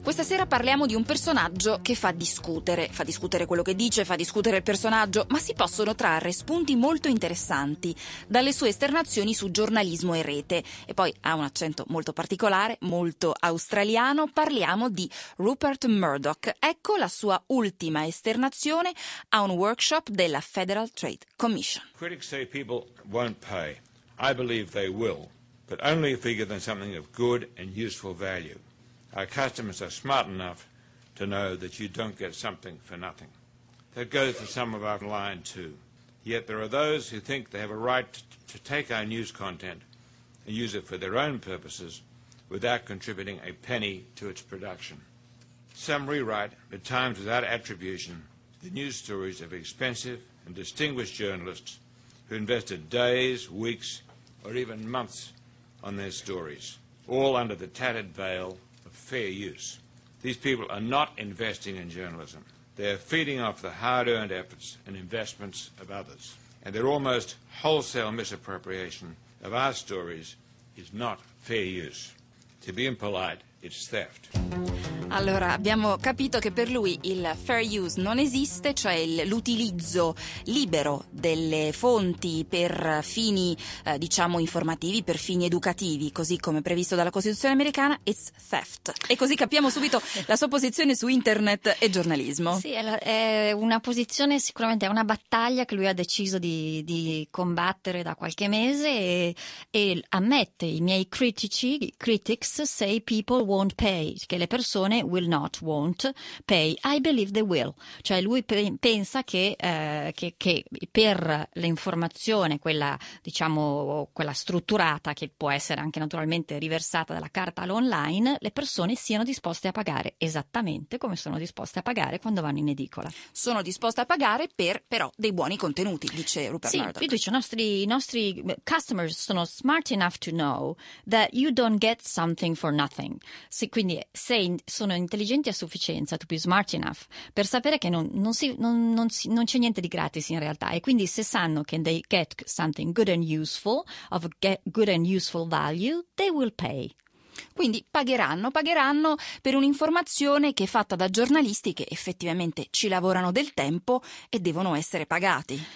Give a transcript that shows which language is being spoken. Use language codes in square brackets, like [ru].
[it] Questa sera parliamo di un personaggio che fa discutere. Fa discutere quello che dice, fa discutere il personaggio, ma si possono trarre spunti molto interessanti dalle sue esternazioni su giornalismo e rete. E poi ha un accento molto particolare, molto australiano. Parliamo di Rupert Murdoch. Ecco la sua ultima esternazione a un workshop della Federal Trade Commission. [en] Critics say people won't pay. I believe they will. But only if we give them something of good and useful value. Our customers are smart enough to know that you don't get something for nothing. That goes for some of our line too. Yet there are those who think they have a right to take our news content and use it for their own purposes without contributing a penny to its production. Some rewrite, at times without attribution, the news stories of expensive and distinguished journalists who invested days, weeks, or even months on their stories, all under the tattered veil of fair use. These people are not investing in journalism. They are feeding off the hard-earned efforts and investments of others. And their almost wholesale misappropriation of our stories is not fair use. To be impolite, it's theft. [it] Allora, abbiamo capito che per lui il fair use non esiste, cioè l'utilizzo libero delle fonti per fini, diciamo, informativi, per fini educativi, così come previsto dalla Costituzione americana, [en] it's theft. [it] E così capiamo subito la sua posizione su internet e giornalismo. Sì, è una posizione, sicuramente è una battaglia che lui ha deciso di combattere da qualche mese e ammette: i miei [en] critics say people won't pay, [it] che le persone [en] will not, won't pay, I believe they will, [it] cioè lui pensa che per l'informazione, quella, diciamo, quella strutturata, che può essere anche naturalmente riversata dalla carta all'online, le persone siano disposte a pagare, esattamente come sono disposte a pagare quando vanno in edicola. Sono disposte a pagare per però dei buoni contenuti, dice Rupert Murdoch. Sì, dice: i nostri customers sono [en] smart enough to know that you don't get something for nothing. [it] Sì, quindi sono intelligenti a sufficienza, [en] to be smart enough, [it] per sapere che non c'è niente di gratis in realtà, e quindi se sanno che [en] they get something good and useful, of good and useful value, they will pay. [it] Quindi pagheranno per un'informazione che è fatta da giornalisti che effettivamente ci lavorano del tempo e devono essere pagati.